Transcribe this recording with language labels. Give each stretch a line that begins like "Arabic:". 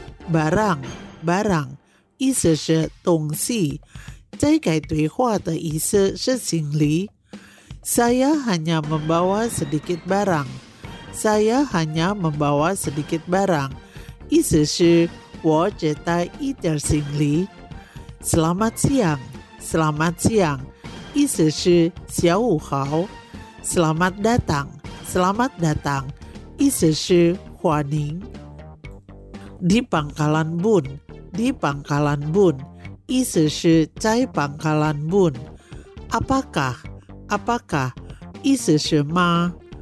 Indonesian: Barang, barang,
Chinese: 意思是东西。这个对话的意思是行李。
Indonesian: Saya hanya membawa sedikit barang. Saya hanya membawa sedikit barang.
Chinese: 意思是我只带一点行李。
Indonesian: Selamat siang, selamat siang,
Chinese: 意思是下午好。
Indonesian: Selamat datang. Selamat datang,
Chinese: 意思是欢迎。 Di Pangkalan Bun, di Pangkalan Bun, 意思是在 Pangkalan Bun.
Indonesian: Apakah, apakah,
Chinese: 意思是吗。